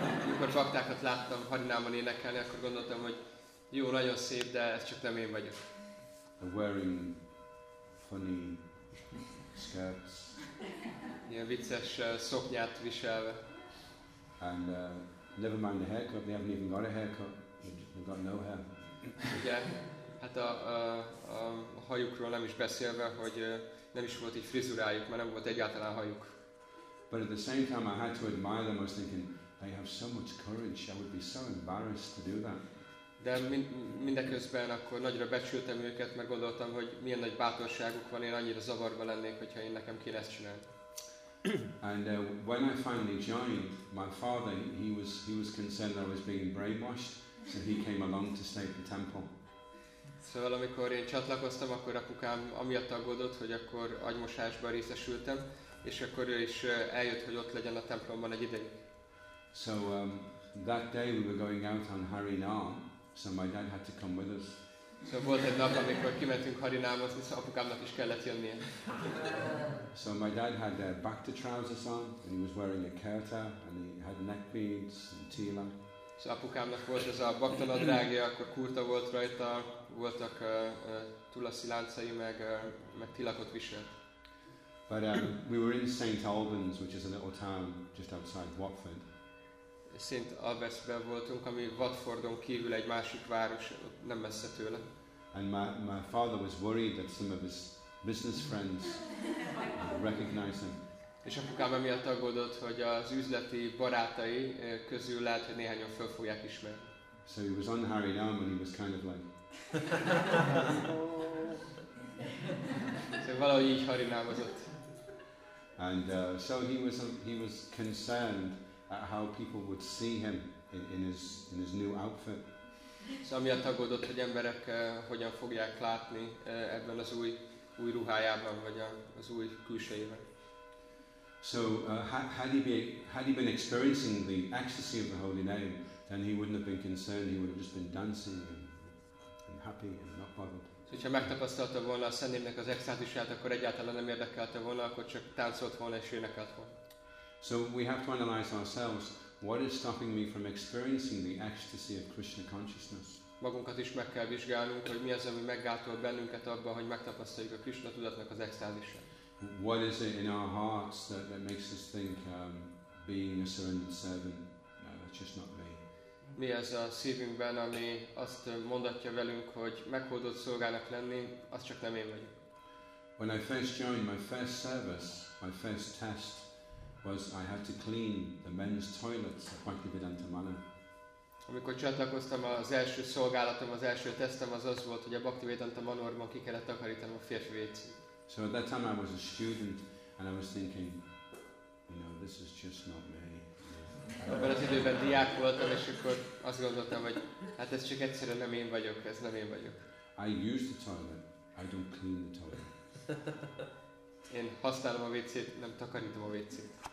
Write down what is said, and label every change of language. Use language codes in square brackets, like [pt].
[hu] Amikor baktákat láttam Harinámon énekelni, akkor gondoltam, hogy jó, nagyon szép, de ez csak nem én vagyok. [en] They're wearing funny skirts. [hu] Ilyen vicces szoknyát viselve. [en] And never mind the haircut, they haven't even got a haircut, they've got no hair. [hu] Igen, hát a hajukról nem is beszélve, hogy nem is volt egy frizurájuk, mert nem volt egyáltalán hajuk. [en] But at the same time I had to admire them, I was thinking, they have so much courage, I would be so embarrassed to do that. [hu] De mindeközben akkor nagyra becsültem őket, mert gondoltam, hogy milyen nagy bátorságuk van, én annyira zavarba lennék, hogyha én nekem kéne ezt csinálni. [en] And when I finally joined, my father, he was concerned that I was being brainwashed, so he came along to stay at the temple. [hu] Szóval amikor én csatlakoztam, akkor apukám amiatt aggódott, hogy akkor agymosásba részesültem, és akkor ő is eljött, hogy ott legyen a templomban egy ideig. [en] So that day we were going out on Harinam, so my dad had to come with us. [hu] So volt egy nap, amikor kimentünk Harinámhoz, és apukámnak is kellett jönnie. [en] So my dad had a bhakti trousers on, and he was wearing a kurta, and he had neck beads and tila. [hu] So apukámnak volt ez a bhakti nadrágja, akkor kurta volt rajta, voltak tulaszi láncai, meg tilakot viselt. [en] But we were in St. Albans, which is a little town just outside Watford. [hu] St. Albans-ben voltunk, ami Watfordon kívül egy másik város, nem messze tőle. [en] And my father was worried that some of his business friends recognized him. [hu] És apukám emiatt aggódott, hogy az üzleti barátai közül lehet, hogy néhányan föl fogják ismerni. [en] So he was on Harry Down and he was kind of like... [hu] Szóval valahogy így Harry Down-ozott. [en] And so he was concerned at how people would see him in his new outfit. [hu] So amiatt aggódott, hogy emberek hogyan fogják látni ebben az új ruhájában vagy az új külsejében. [en] So had he been experiencing the ecstasy of the Holy Name, then he wouldn't have been concerned. He would have just been dancing and happy and not bothered. [hu] So, hogyha megtapasztalta volna a Szent Névnek az extázisát, akkor egyáltalán nem érdekelte volna, akkor csak táncolt volna és énekelt volna. [en] So we have to analyze ourselves. What is stopping me from experiencing the ecstasy of Krishna consciousness? [hu] Magunkat is meg kell vizsgálnunk, hogy mi az, ami meggátol bennünket abban, hogy megtapasztaljuk a Krishna tudatnak az extázisát. [en] What is it in our hearts that makes us think being a surrendered servant? No, that's just not me. [hu] Mi az a szívünkben, ami azt mondatja velünk, hogy meghódolt szolgának lenni, az csak nem én vagyok. [en] When I first joined, my first service, my first test was I had to clean the men's toilets at Bhaktivedanta Manor. [hu] Amikor csatlakoztam, az első szolgálatom, az első tesztem az volt, hogy a Bhaktivedanta Manorban ki kellett takarítanom a férfi vécét. [en] So at that time I was a student, and I was thinking, you know, this is just not me. [hu] Abban az időben diák voltam, és akkor azt gondoltam, hogy hát ez csak egyszerűen nem én vagyok, ez nem én vagyok. [en] I use the toilet, I don't clean the toilet. [hu] Én használom a WC-t, nem takarítom a WC-t.